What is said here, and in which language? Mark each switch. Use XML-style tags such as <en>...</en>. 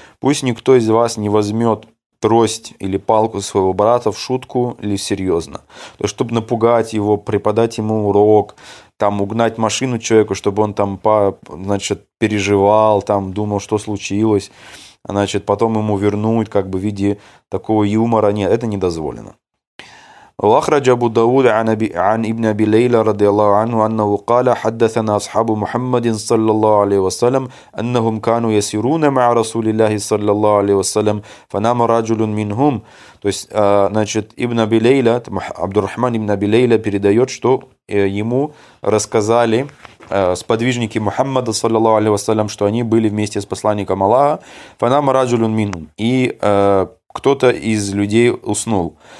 <ru>Пусть никто из вас не возьмет трость или палку своего брата в шутку или серьезно. То есть, чтобы напугать его, преподать ему урок, там, угнать машину человеку, чтобы он там, значит, переживал, там, думал, что случилось, значит, потом ему вернуть как бы в виде такого юмора. Нет, это не дозволено.</ru> <ar>وأخرج أبو داود عن ابن أبي ليلى رضي الله عنه أنه قال حدثنا أصحاب محمد صلى الله عليه وسلم أنهم كانوا يسيرون مع رسول الله صلى الله عليه وسلم فنام رجل منهم.</ar> <ru>То есть, значит, ибн Аби Лейла, Абдур-Рахман ибн Аби Лейла передает, что ему рассказали сподвижники Мухаммада, саллаллаху алейхи ва саллям, что они были вместе с посланником Аллаха.</ru> <ar>Фанама раджулун минхум.</ar> <ru>И кто-то из людей уснул.</ru>